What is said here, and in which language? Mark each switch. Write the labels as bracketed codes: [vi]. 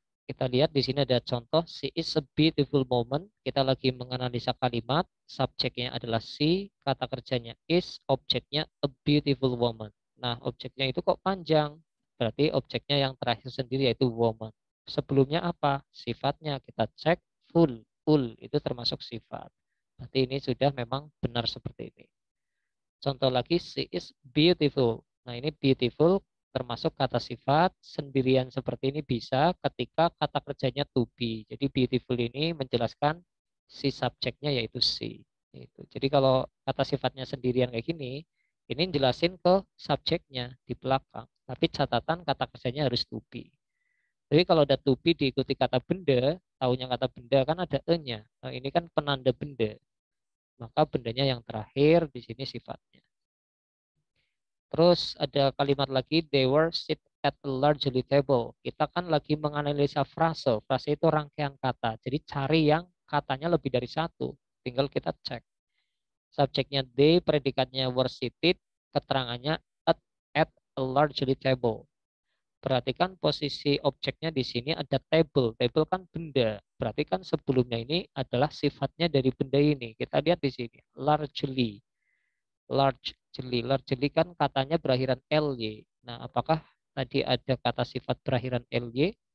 [id] Kita lihat di sini ada contoh, [en] she is a beautiful woman. [id] Kita lagi menganalisa kalimat, subjeknya adalah she, kata kerjanya is, objeknya a beautiful woman. Nah, objeknya itu kok panjang? Berarti objeknya yang terakhir sendiri yaitu woman. Sebelumnya apa? Sifatnya kita cek, full, full, itu termasuk sifat. Berarti ini sudah memang benar seperti ini. Contoh lagi, [en] she is beautiful. [id] Nah, ini beautiful termasuk kata sifat, sendirian seperti ini bisa ketika kata kerjanya to be. Jadi beautiful ini menjelaskan si subjeknya yaitu si. Itu. Jadi kalau kata sifatnya sendirian kayak gini, ini jelasin ke subjeknya di belakang. Tapi catatan kata kerjanya harus to be. Jadi kalau ada to be diikuti kata benda, tahunya kata benda kan ada e-nya. Nah, ini kan penanda benda. Maka bendanya yang terakhir di sini sifatnya. Terus ada kalimat lagi, [en] they were sit at a largely table. [id] Kita kan lagi menganalisa frase. Frase itu rangkaian kata. Jadi cari yang katanya lebih dari satu. Tinggal kita cek. Subjeknya they, predikatnya were seated, keterangannya [en] at a largely table. [id] Perhatikan posisi objeknya di sini ada table. Table kan benda. Berarti kan sebelumnya ini adalah sifatnya dari benda ini. Kita lihat di sini. Largely. Largely. Largely kan katanya berakhiran ly. Nah, apakah tadi ada kata sifat berakhiran ly?